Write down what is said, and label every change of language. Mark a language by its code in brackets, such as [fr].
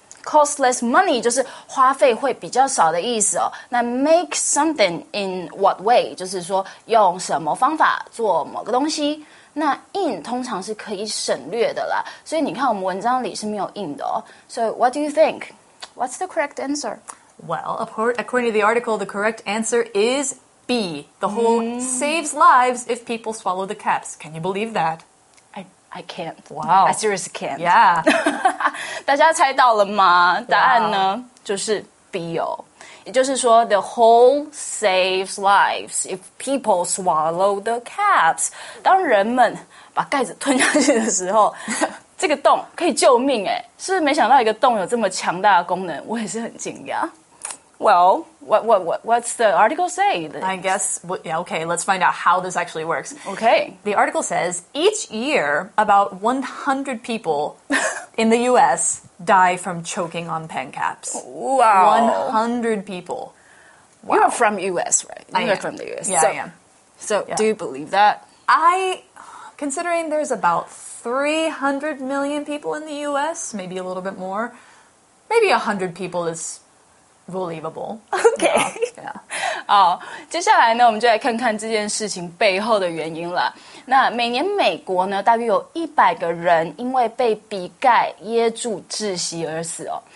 [en] Cost less money [zh] 就是花费会比较少的意思哦。 [en] 那 make something in what way? [zh] 就是说用什么方法做某个东西。那 in 通常是可以省略的啦。所以你看我们文章里是没有 in 的哦。 [en] So what do you think? What's the correct answer? Well, according to the article, the correct answer is B. The hole saves lives if people swallow the caps. Can you believe that? I can't. Wow. I seriously can't. Yeah. [zh] 大家猜到了吗？答案呢、wow. 就是 B 哦。也就是说 [en] the hole saves lives if people swallow the caps. [zh] 当人们把盖子吞下去的时候这个洞可以救命哎！是不是没想到一个洞有这么强大的功能？我也是很惊讶。 [en] Well, what's the article say? I guess, yeah, okay, let's find out how this actually works. Okay. The article says, each year, about 100 people in the U.S. die from choking on pen caps. Wow. 100 people. Wow. You're from U.S., right? I am. You're from the U.S. Yeah, I am. So, yeah. Do you believe that? Considering there's about 300 million people in the U.S., maybe a little bit more. Maybe 100 people is believable. Okay. Yeah. [zh] 好，接下来呢，我们就来看看这件事情背后的原因了。那每年美国呢，大约有100个人因为被笔盖噎住窒息而死哦。